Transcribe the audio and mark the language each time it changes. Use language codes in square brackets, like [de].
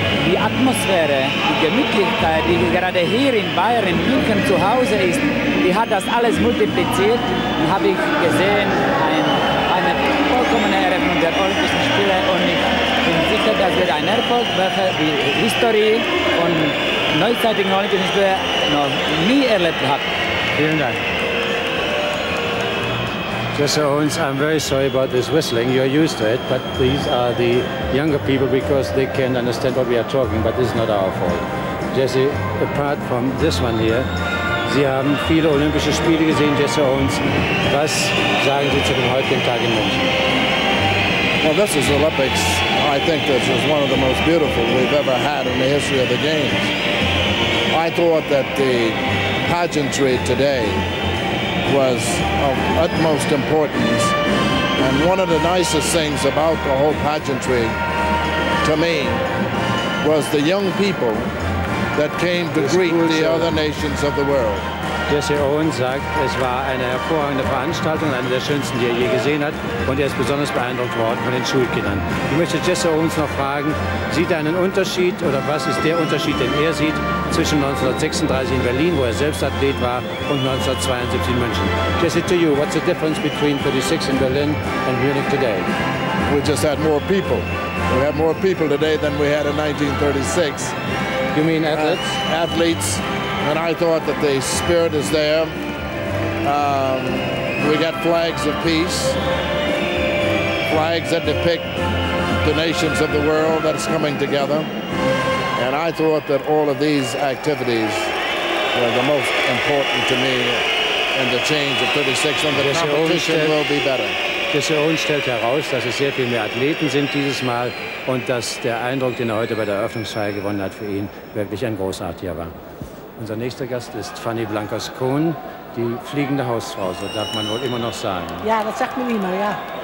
[de] die Atmosphäre, die Gemütlichkeit, die gerade hier in Bayern, in München zu Hause ist, die hat das alles multipliziert und habe ich gesehen, eine vollkommene Eröffnung der Olympischen Spiele und ich bin sicher, das wird ein Erfolg, welcher die History und neuzeitigen Olympischen Spiele noch nie erlebt hat. Vielen Dank. [en] Jesse Owens, I'm very sorry about this whistling. You're used to it, but these are the younger people because they can't understand what we are talking, but this is not our fault. Jesse, apart from this one here, [de] Sie haben viele Olympische Spiele gesehen, Jesse Owens. Was sagen Sie zu dem heutigen Tag in München? [en] Well, this is Olympics. I think this is one of the most beautiful we've ever had in the history of the Games. I thought that the pageantry today was of utmost importance. And one of the nicest things about the whole pageantry, to me, was the young people that came to greet the other nations of the world. [de] Jesse Owens sagt, es war eine hervorragende Veranstaltung, eine der schönsten, die er je gesehen hat. Und er ist besonders beeindruckt worden von den Schulkindern. Ich möchte Jesse Owens noch fragen, sieht er einen Unterschied oder was ist der Unterschied, den er sieht, zwischen 1936 in Berlin, wo er selbst Athlet war, und 1972 in München? [en] Jesse, to you, what's the difference between 36 in Berlin and Munich today? We just had more people. We have more people today than we had in 1936. You mean athletes? Athletes. And I thought that the spirit is there. We got flags of peace, flags that depict the nations of the world that's coming together. And I thought that all of these activities were the most important to me in the change of 36, and the competition will be better. [de] Jesse Owens stellt heraus, dass es sehr viel mehr Athleten sind dieses Mal und dass der Eindruck, den er heute bei der Eröffnungsfeier gewonnen hat, für ihn wirklich ein großartiger war. Unser nächster Gast ist Fanny Blankers-Kohn, die fliegende Hausfrau, so darf man wohl immer noch sagen. Ja, das sagt man immer, ja.